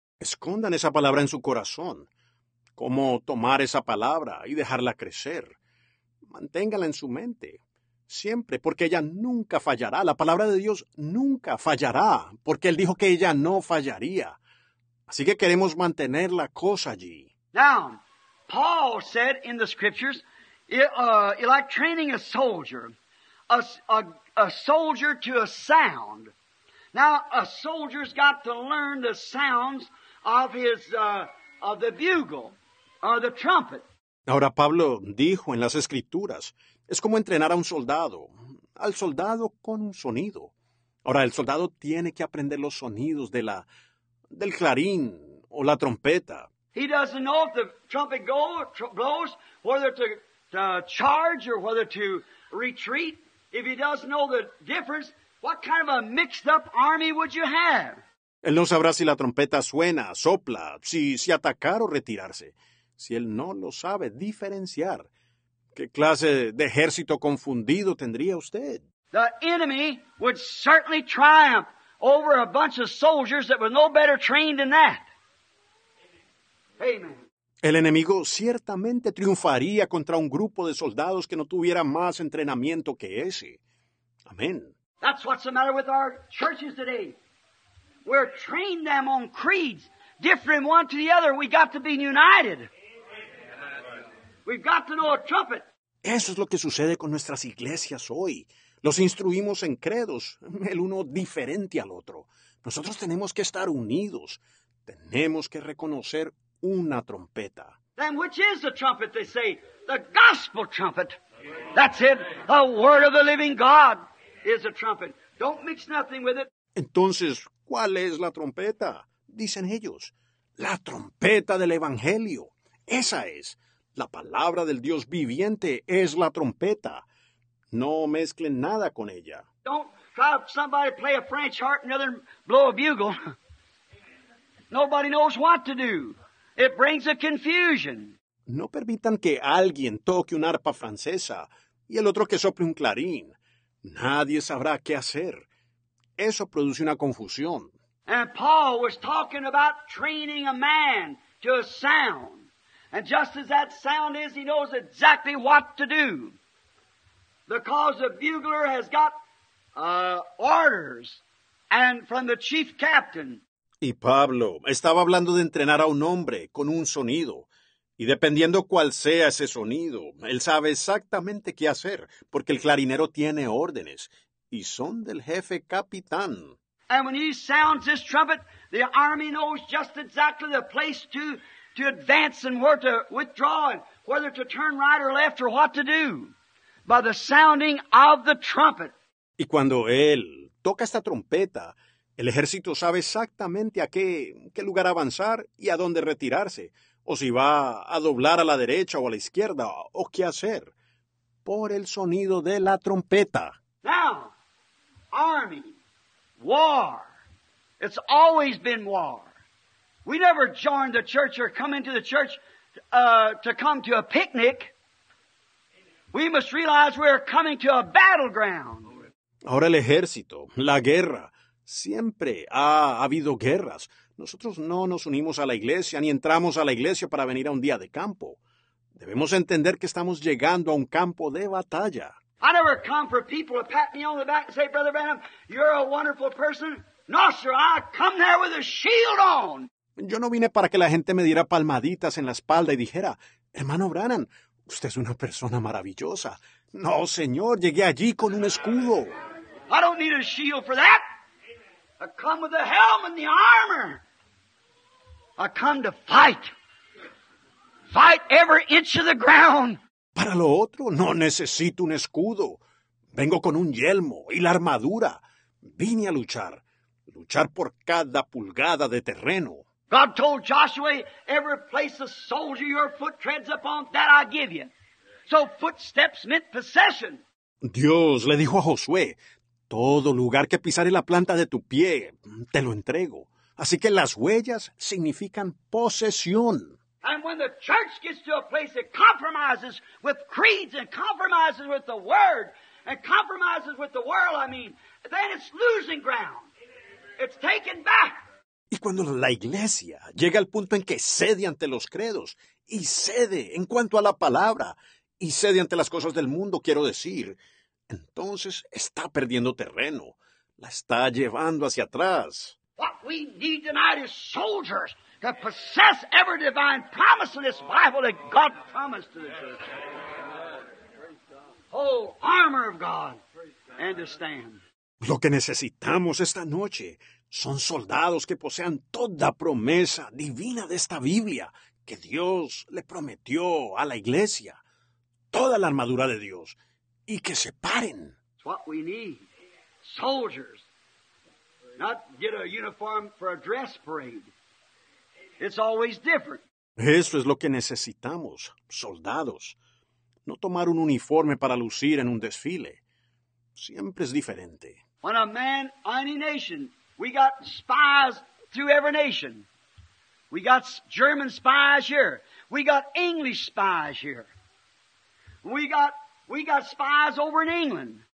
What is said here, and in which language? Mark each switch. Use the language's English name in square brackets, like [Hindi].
[Spanish] Escondan esa palabra en su corazón. ¿Cómo tomar esa palabra y dejarla crecer? Manténgala en su mente. Siempre, porque ella nunca fallará. La palabra de Dios nunca fallará, porque Él dijo que ella no fallaría. Así que queremos mantener la cosa allí. [English] Now, Paul said in the scriptures, like training a soldier, a soldier to a sound. Now, a soldier's got to learn the sounds of his of the bugle or the trumpet. [Spanish] Ahora Pablo dijo en las escrituras, es como entrenar a un soldado, al soldado con un sonido. Ahora el soldado tiene que aprender los sonidos de del clarín o la trompeta. [English] He doesn't know if the trumpet blows whether to charge or whether to retreat. If he doesn't know the difference, what kind of a mixed up army would you have? [Spanish] Él no sabrá si la trompeta suena, sopla, si atacar o retirarse. Si él no lo sabe diferenciar, ¿qué clase de ejército confundido tendría usted? [English] The enemy would certainly triumph over a bunch of soldiers that were no better trained than that. Amen. [Spanish] El enemigo ciertamente triunfaría contra un grupo de soldados que no tuviera más entrenamiento que ese. Amén. [English] That's what's the matter with our churches today. We're training them on creeds, different one to the other. We got to be united. We've got to know a trumpet. [Spanish] Eso es lo que sucede con nuestras iglesias hoy. Los instruimos en credos, el uno diferente al otro. Nosotros tenemos que estar unidos. Tenemos que reconocer una trompeta. [English] Then which is the trumpet, they say? The gospel trumpet. That's it. The word of the living God is a trumpet. Don't mix nothing with it. [Spanish] Entonces, ¿cuál es la trompeta? Dicen ellos, la trompeta del Evangelio. Esa es. La palabra del Dios viviente es la trompeta. No mezclen nada con ella. [English] Don't try somebody to play a French harp and another blow a bugle. Nobody knows what to do. It brings a confusion. [Spanish] no permitan que alguien toque un arpa francesa y el otro que sople un clarín. Nadie sabrá qué hacer. Eso produce una confusión. [English] And Paul was talking about training a man to a sound. And just as that sound is, he knows exactly what to do. Because the bugler has got orders and from the chief captain. [Spanish] Y Pablo estaba hablando de entrenar a un hombre con un sonido. Y dependiendo cuál sea ese sonido, él sabe exactamente qué hacer, porque el clarinero tiene órdenes, y son del jefe capitán. [English] And when he sounds this trumpet, the army knows just exactly the place to advance and where to withdraw, and whether to turn right or left or what to do, by the sounding of the trumpet. [Spanish] Y cuando él toca esta trompeta, el ejército sabe exactamente a qué lugar avanzar y a dónde retirarse, o si va a doblar a la derecha o a la izquierda, o qué hacer, por el sonido de la trompeta. [English] Now, army, war, it's always been war. We never joined the church or come into the church to come to a picnic. We must realize we're coming to a battleground. [Spanish] Ahora el ejército, la guerra, siempre ha habido guerras. Nosotros no nos unimos a la iglesia ni entramos a la iglesia para venir a un día de campo. Debemos entender que estamos llegando a un campo de batalla. [English] I never come for people to pat me on the back and say, Brother Branham, you're a wonderful person. No, sir, I come there with a shield on. [Spanish] Yo no vine para que la gente me diera palmaditas en la espalda y dijera, hermano Branham, usted es una persona maravillosa. No, señor, llegué allí con un escudo. [English] I don't need a shield for that. I come with the helm and the armor. I come to fight. Fight every inch of the ground. [Spanish] Para lo otro, no necesito un escudo. Vengo con un yelmo y la armadura. Vine a luchar. Luchar por cada pulgada de terreno. [English] God told Joshua, every place a soldier your foot treads upon, that I give you. So footsteps meant possession. [Spanish] Dios le dijo a Josué, todo lugar que pisare la planta de tu pie, te lo entrego. Así que las huellas significan posesión. [English] And when the church gets to a place that compromises with creeds and compromises with the word and compromises with the world, I mean, then it's losing ground. It's taken back. [Spanish] Y cuando la iglesia llega al punto en que cede ante los credos y cede en cuanto a la palabra y cede ante las cosas del mundo, quiero decir, entonces está perdiendo terreno, la está llevando hacia atrás. [English] What we need tonight is soldiers to possess every divine promise in this Bible that God promised to the church. Oh, armor of God, and to stand. [Spanish] Lo que necesitamos esta noche son soldados que posean toda promesa divina de esta Biblia que Dios le prometió a la iglesia, toda la armadura de Dios, y que se paren. [English] It's what we need, soldiers. Not get a uniform for a dress parade. It's always different. [Spanish] Eso es lo que necesitamos, soldados. No tomar un uniforme para lucir en un desfile. Siempre es diferente. [English] When a man, any nation, we got spies through every nation. We got German spies here. We got English spies here. We got spies over in England.